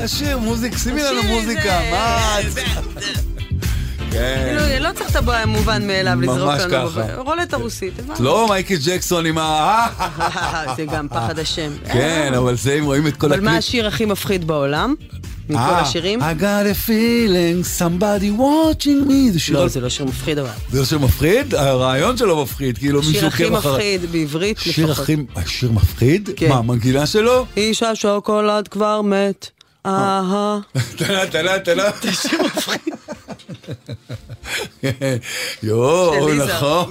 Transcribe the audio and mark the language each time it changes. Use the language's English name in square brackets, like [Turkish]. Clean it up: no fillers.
[Hebrew] השיר, מוזיק, שימי לנו מוזיקה, מה את? לא צריך את הבעיה מובן מאליו לזרוק לנו. רולטה רוסית. לא, מייקל ג'קסון עם ה... זה גם פחד השם. כן, אבל זה, אם רואים את כל הקליפ. אבל מה השיר הכי מפחיד בעולם? מכל השירים. [English] I got a feeling somebody watching me. [Hebrew] זה שיר... לא, זה לא שיר מפחיד אבל. זה לא שיר מפחיד? הרעיון שלו מפחיד. שיר הכי מפחיד בעברית לפחות. שיר הכי... השיר מפחיד? מה, מנגינה שלו? איש השוקולד כבר מת. אהה. תנה, תנה, תנה. זה שיר מפחיד. יואו, נכון.